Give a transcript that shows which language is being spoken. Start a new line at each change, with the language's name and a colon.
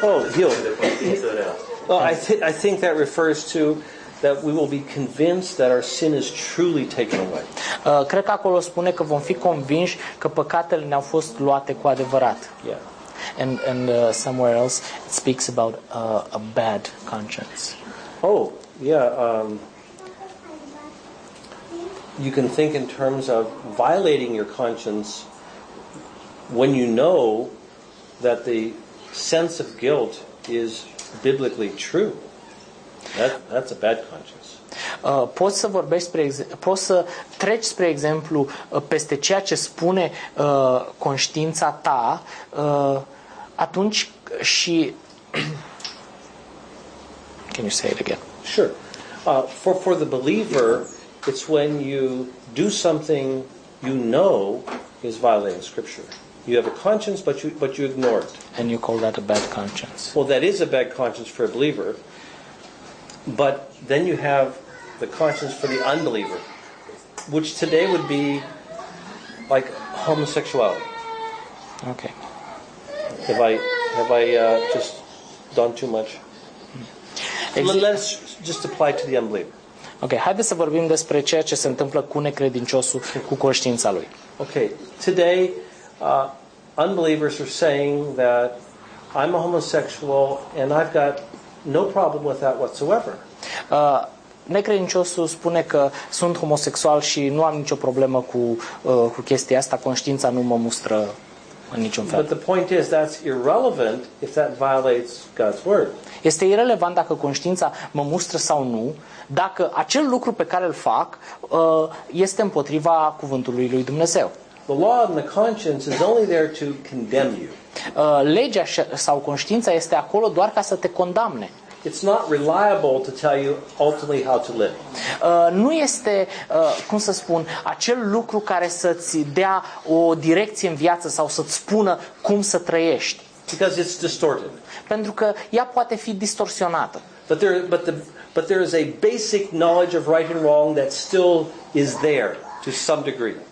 English: I think that refers to that we will be convinced that our sin is truly taken away.
Romanian: Cred că acolo spune că vom fi convinși că păcatele ne-au fost luate cu adevărat.
English: Yeah. And somewhere else it speaks about a bad conscience. Oh, yeah, you can think in terms of violating your conscience when you know that the sense of guilt is biblically true. That's a bad conscience.
Romanian: Poți să vorbești poți să treci spre exemplu peste ceea ce spune conștiința ta atunci și
English: can you say it again? Sure. For the believer, yeah. It's when you do something you know is violating scripture. You have a conscience but you ignore it. And you call that a bad conscience. Well, that is a bad conscience for a believer. But then you have the conscience for the unbeliever, which today would be like homosexuality. Okay. Have I just done too much? Let's just apply to the unbeliever.
Romanian: Okay, haideți să vorbim despre ceea ce se întâmplă cu necredinciosul, cu conștiința lui.
English: Okay, today unbelievers are saying that I'm a homosexual and I've got no problem with that whatsoever.
Romanian: Necredinciosul spune că sunt homosexual și nu am nicio problemă cu chestia asta, conștiința nu mă mustră în niciun fel.
English: But the point is that's irrelevant if that violates God's word.
Romanian: Este irrelevant dacă conștiința mă mustră sau nu, dacă acel lucru pe care îl fac este împotriva cuvântului lui Dumnezeu.
English: The law and the conscience is only there to condemn you.
Romanian: Legea sau conștiința este acolo doar ca să te condamne.
English: it's not reliable to tell you ultimately how to live.
Romanian: Nu este, cum să spun, acel lucru care să-ți dea o direcție în viață sau să-ți spună cum să trăiești.
English: Because it's distorted.
Romanian: Pentru că ea poate fi distorsionată.
English: But there is a basic knowledge of right and wrong that still is there to some degree.